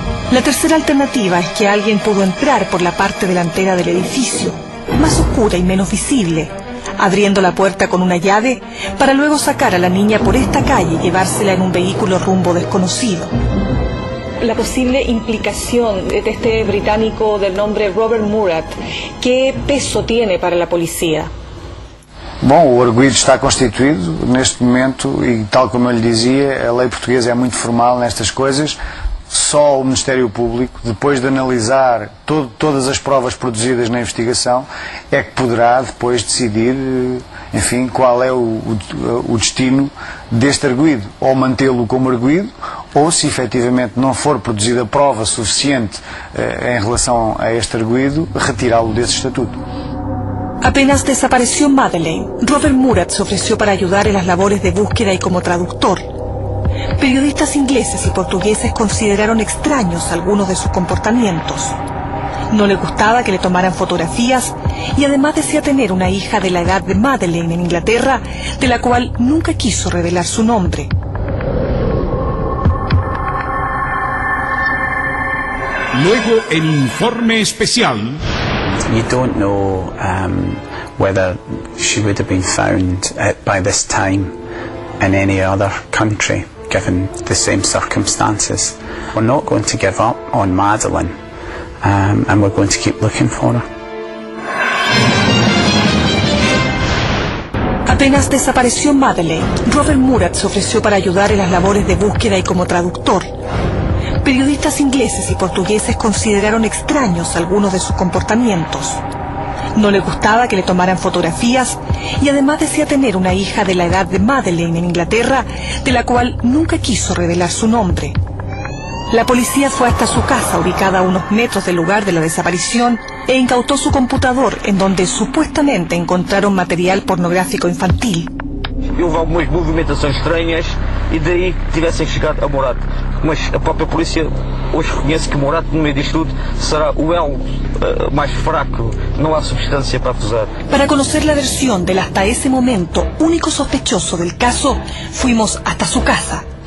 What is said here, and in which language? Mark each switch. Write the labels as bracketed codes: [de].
[es] La tercera alternativa es que alguien pudo entrar por la parte delantera del edificio, más oscura y menos visible, abriendo la puerta con una llave para luego sacar a la niña por esta calle y llevársela en un vehículo rumbo desconocido. La posible implicación de este británico del nombre Robert Murat, ¿qué peso tiene para la policía? [pt] Bom, o arguido está constituído neste momento e, tal como eu lhe dizia, a lei portuguesa é muito formal nestas coisas. Só o Ministério Público, depois de analisar todas as provas produzidas na investigação, é que poderá depois decidir, enfim, qual é o destino deste arguido. Ou mantê-lo como arguido, ou se efetivamente não for produzida prova suficiente em relação a este arguido, retirá-lo desse estatuto. [es] Apenas desapareció Madeleine, Robert Murat se ofreció para ayudar en las labores de búsqueda y como traductor. Periodistas ingleses y portugueses consideraron extraños algunos de sus comportamientos. No le gustaba que le tomaran fotografías y además decía tener una hija de la edad de Madeleine en Inglaterra, de la cual nunca quiso revelar su nombre. Luego el informe especial... [en] You don't know whether she would have been found by this time in any other country, given the same circumstances. We're not going to give up on Madeleine, and we're going to keep looking for her. [es] Apenas desapareció Madeleine, Robert Murat se ofreció para ayudar en las labores de búsqueda y como traductor. Periodistas ingleses y portugueses consideraron extraños algunos de sus comportamientos. No le gustaba que le tomaran fotografías y además decía tener una hija de la edad de Madeleine en Inglaterra, de la cual nunca quiso revelar su nombre. La policía fue hasta su casa, ubicada a unos metros del lugar de la desaparición, e incautó su computador, en donde supuestamente encontraron material pornográfico infantil. [pt] Houve algumas movimentações estranhas e daí tivessem chegado a Murat. Mas a própria polícia hoje reconhece que Murat, no meio disto tudo, será o elo mais fraco. Não há substância para acusar. [es] Para [pt] conhecer a versão [es] del hasta [pt] esse [es] momento único sospechoso del caso, fuimos hasta [pt] sua [es] casa.